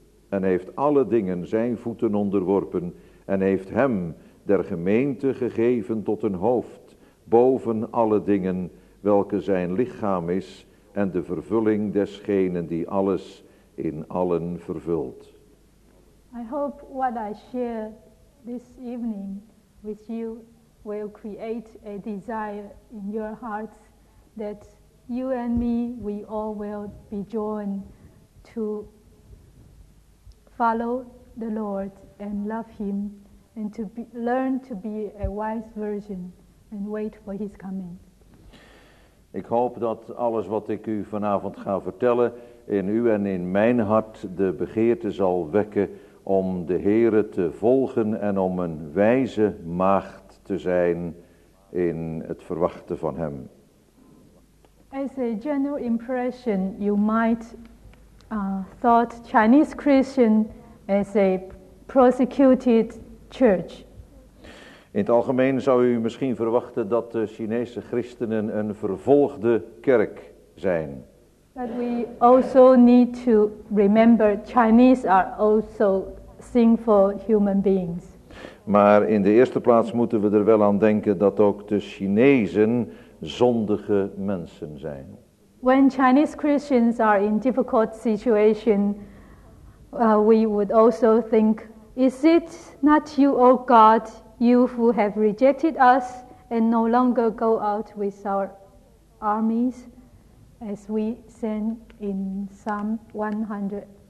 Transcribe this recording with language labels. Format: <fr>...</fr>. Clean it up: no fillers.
<nl>En heeft alle dingen zijn voeten onderworpen en heeft hem der gemeente gegeven tot een hoofd boven alle dingen welke zijn lichaam is en de vervulling desgenen die alles in allen vervult.</nl> <en>I hope what I share this evening with you will create a desire in your hearts that you and me, we all will be joined to follow the Lord and love him and to learn to be a wise virgin and wait for his coming.</en> <nl>Ik hoop dat alles wat ik u vanavond ga vertellen in u en in mijn hart de begeerte zal wekken om de Heere te volgen en om een wijze maagd te zijn in het verwachten van hem.</nl> <en>As a general impression, you might thought Chinese Christian as a persecuted church.</en> <nl>In het algemeen zou u misschien verwachten dat de Chinese christenen een vervolgde kerk zijn.</nl> <en>But we also need to remember Chinese are also sinful human beings.</en> <nl>Maar in de eerste plaats moeten we er wel aan denken dat ook de Chinezen zondige mensen zijn.</nl> <en>When Chinese Christians are in difficult situation, we would also think, is it not you, O God, you who have rejected us and no longer go out with our armies, as we sang in Psalm 108?</en>